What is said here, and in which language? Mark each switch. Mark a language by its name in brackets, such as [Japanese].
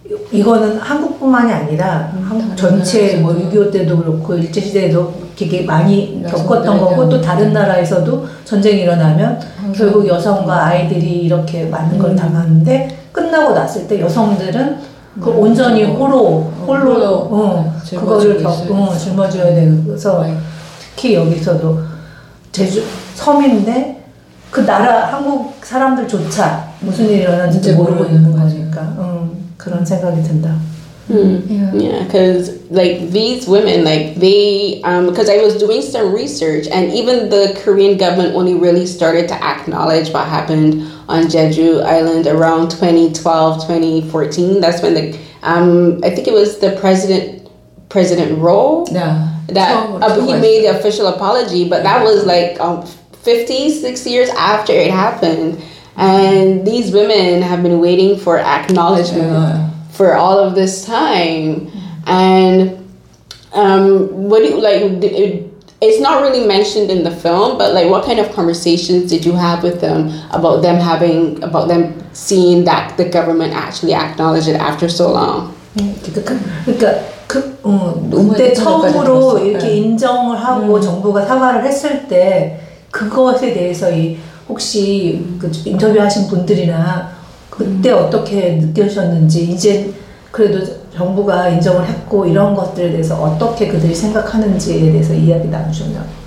[Korean] 이거는 한국뿐만이 아니라 한국 전체 뭐 6.25 때도 그렇고 일제시대에도 되게 많이 겪었던 거고 또 다른 나라에서도 전쟁이 일어나면 결국 여성과 아이들이 이렇게 많은 걸 당하는데 끝나고 났을 때 여성들은 그 온전히 홀로 그거를 겪고 짊어져야 돼서 특히 여기서도 제주 섬인데 그 나라 한국 사람들조차 무슨 일이 일어나는지 모르고 있는 거니까 그런 생각이 든다. [English] Yeah, because like these women, like they, because I was doing some research, and even the Korean government only really started to acknowledge what happened on Jeju Island around 2012, 2014. That's when the, I think it was the President Ro, he made the official apology, but that was like 56 years after it happened, and these women have been waiting for acknowledgement. For all of this time, and it's not really mentioned in the film, but like, what kind of conversations did you have with them about them having about them seeing that the government actually acknowledged it after so long? [Korean] 그러니까 그 그때 처음으로 이렇게 인정을 하고 정부가 사과를 했을 때 그것에 대해서 이 혹시 그 인터뷰하신 분들이나 그때 어떻게 느껴셨는지 이제 그래도 정부가 인정을 했고 이런 것들에 대해서 어떻게 그들이 생각하는지에 대해서 이야기 나누셨나요?